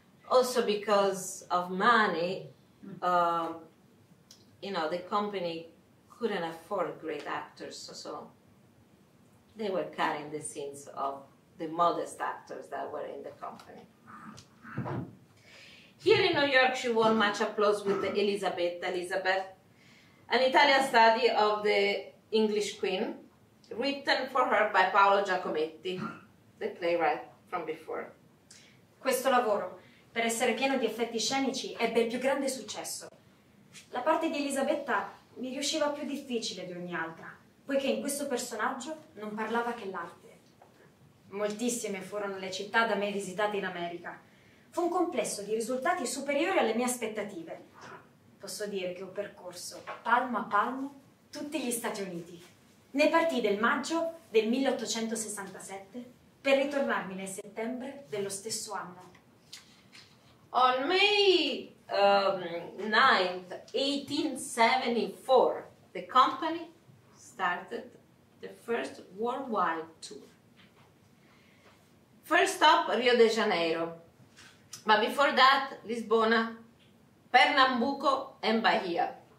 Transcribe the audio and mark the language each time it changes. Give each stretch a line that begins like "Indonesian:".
English: Also because of money, you know, the company couldn't afford great actors, so they were cutting the scenes of the modest actors that were in the company. Here in New York, she won much applause with Elizabeth, an Italian study of the English Queen, written for her by Paolo Giacometti, the playwright from before.
Italian: Questo lavoro, per essere pieno di effetti scenici, ebbe il più grande successo. La parte di Elisabetta mi riusciva più difficile di ogni altra, poiché in questo personaggio non parlava che l'arte. Moltissime furono le città da me visitate in America. Fu un complesso di risultati superiori alle mie aspettative. Posso dire che ho percorso, palmo a palmo, tutti gli Stati Uniti. Ne partì del maggio del 1867 per ritornarmi nel settembre dello stesso anno.
English: On May 9th, 1874, the company started the first worldwide tour. First stop, Rio de Janeiro. But before that, Lisbona, Pernambuco, and Bahia.